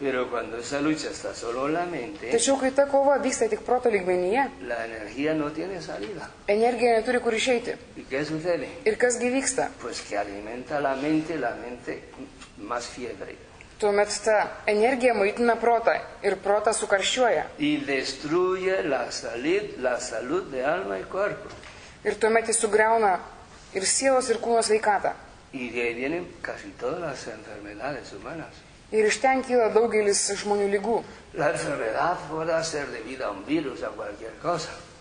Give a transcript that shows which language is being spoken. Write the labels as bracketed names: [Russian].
[Spanish] Pero cuando esa lucha está solo la mente, [Lithuanian] tačiau, kai ta kova vyksta tik proto lygmenyje, [Spanish] la energía no tiene salida. [Lithuanian] Energija neturi kur išeiti. [Spanish] ¿Y qué sucede? [Lithuanian] Ir kas gi vyksta? [Spanish] Pues que alimenta la mente más fiebre. [Lithuanian] Tuomet ta energija maitina protą ir protą sukarščiuoja. [Spanish] Y destruye la salud de alma y cuerpo. [Lithuanian] Ir tuomet jis sugriauna ir sielos, ir kūno sveikatą. Ir iš ten kyla daugelis žmonių lygų. [Spanish] La enfermedad puede ser debida a un virus, a cualquier cosa.